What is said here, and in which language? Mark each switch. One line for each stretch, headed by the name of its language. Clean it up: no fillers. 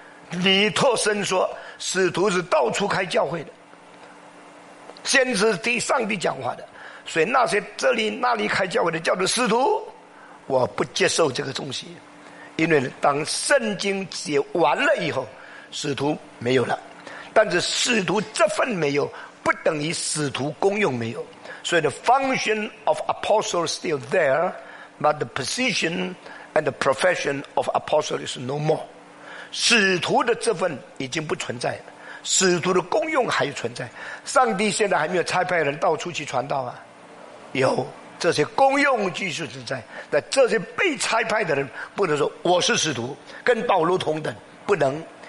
Chinese: 李托森说使徒是到处开教会的，先知替上帝讲话的，所以那些这里那里开教会的叫做使徒，我不接受这个东西。因为当圣经写完了以后使徒没有了，但是使徒这份没有不等于使徒功用没有。所以
English: the function of apostle is still there but the position and the profession of apostle is no more。
Chinese: 使徒的这份已经不存在了，使徒的功用还存在。上帝现在还没有差派人到处去传道啊？有，这些功用继续存在。那这些被差派的人不能说我是使徒跟保罗同等，不能。